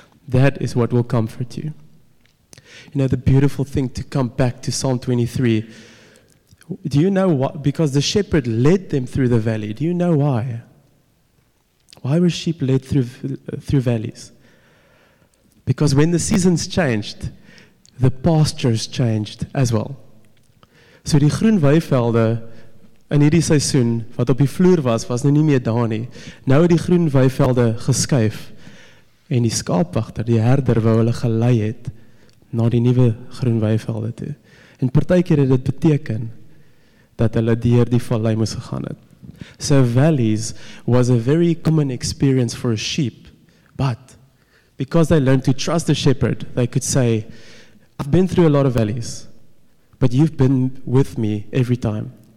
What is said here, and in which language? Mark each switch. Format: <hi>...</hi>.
<en>That is what will comfort you. You know, the beautiful thing to come back to Psalm 23. Do you know why? Because the shepherd led them through the valley. Do you know why? Why were sheep led through valleys? Because when the seasons changed, the pastures changed as well.</en> <af>So die groen weivelde in hierdie seisoen wat op die vloer was, was nou nie meer daar nie. Nou het die groen weivelde geskuif en die skaapwagter, die herder wou hulle gelei het na die nuwe groen weivelde toe. En partykeer het dit beteken dat hulle deur die vallei moes gegaan het.</af> <en>So valleys was a very common experience for a sheep, but because they learned to trust the shepherd, they could say, I've been through a lot of valleys, but you've been with me every time.</en>